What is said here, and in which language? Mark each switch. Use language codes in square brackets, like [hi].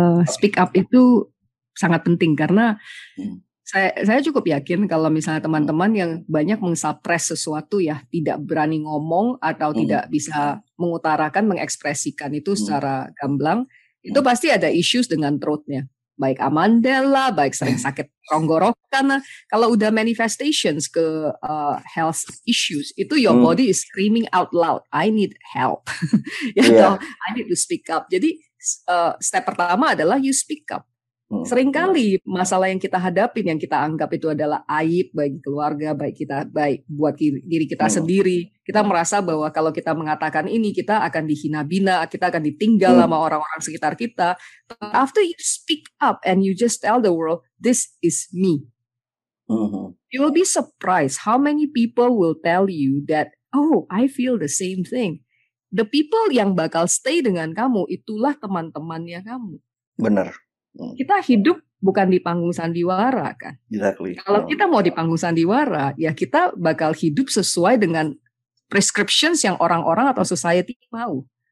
[id] Speak up itu sangat penting karena saya cukup yakin kalau misalnya teman-teman yang banyak mengsupres sesuatu ya, tidak berani ngomong atau tidak bisa mengutarakan, mengekspresikan itu secara gamblang, itu pasti ada issues dengan throat-nya. Baik Amanda lah, baik sering sakit tenggorokan lah. Kalau udah [en] manifestations ke health issues, itu your body is screaming out loud, I need help. I need to speak up. [id] Jadi step pertama adalah [en] you speak up. [id] Seringkali masalah yang kita hadapin, yang kita anggap itu adalah aib bagi keluarga, baik kita, baik buat diri kita sendiri, kita merasa bahwa kalau kita mengatakan ini, kita akan dihina-bina, kita akan ditinggal sama orang-orang sekitar kita. [en] But after you speak up and you just tell the world, this is me, you will be surprised how many people will tell you that, oh, I feel the same thing. The people [id] yang bakal stay dengan kamu, itulah teman-temannya kamu. Benar. Kita hidup bukan di panggung sandiwara kan. [en] Exactly. [id] Kalau kita mau di panggung sandiwara, ya kita bakal hidup sesuai dengan prescriptions yang orang-orang atau society mau.